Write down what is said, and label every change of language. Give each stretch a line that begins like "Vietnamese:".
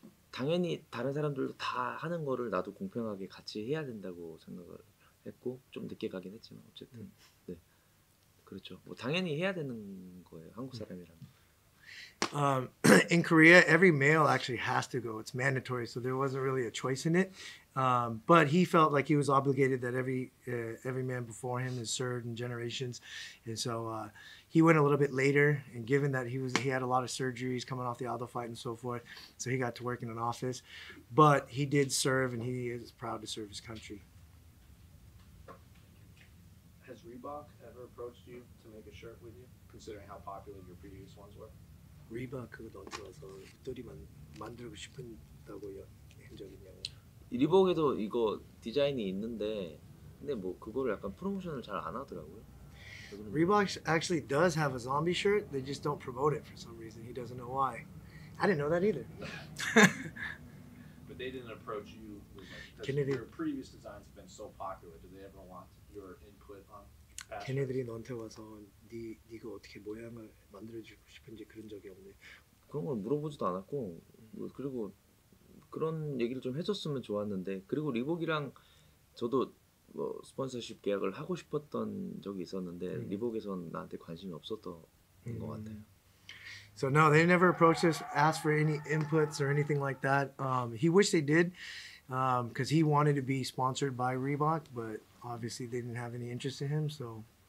Korean: 당연히 다른 사람들도 다 하는 거를 나도 공평하게 같이 해야 된다고 생각을 했고 좀 늦게 가긴 했지만 어쨌든 네 그렇죠 뭐 당연히 해야 되는 거예요 한국 사람이라면.
English: In Korea, every male actually has to go. It's mandatory, so there wasn't really a choice in it. But he felt like he was obligated that every man before him has served in generations, and so he went a little bit later. And given that he had a lot of surgeries coming off the Aldo fight and so forth, so he got to work in an office. But he did serve, and he is proud to serve his country. Has Reebok ever approached you to make a shirt with you, considering how popular your previous ones were?
Korean: 리버크도 들어서 뚜리만 만들고 싶은다고 한적이냐고 리버크에도 이거 디자인이 있는데 근데 뭐 그거를 약간 프로모션을 잘 안 하더라고요.
English: Reebok actually does have a zombie shirt. They just don't promote it for some reason. He doesn't know why. I didn't know that either. But they didn't approach you with like their previous designs have been so popular. Do they ever want your input on?
Korean: 걔네들이 너한테 와서 네가 어떻게 모양을 만들어주고 싶은지 그런 적이 없네. 그런 걸 물어보지도 않았고 그리고 그런 얘기를 좀 해줬으면 좋았는데 그리고 리복이랑 저도 뭐 스폰서십 계약을 하고 싶었던 적이 있었는데 리복에선 나한테 관심이 없었던 것 같아요.
English: So no, they never approached us, asked for any inputs or anything like that. He wished they did because he wanted to be sponsored by Reebok, but obviously they didn't have any interest in him, so...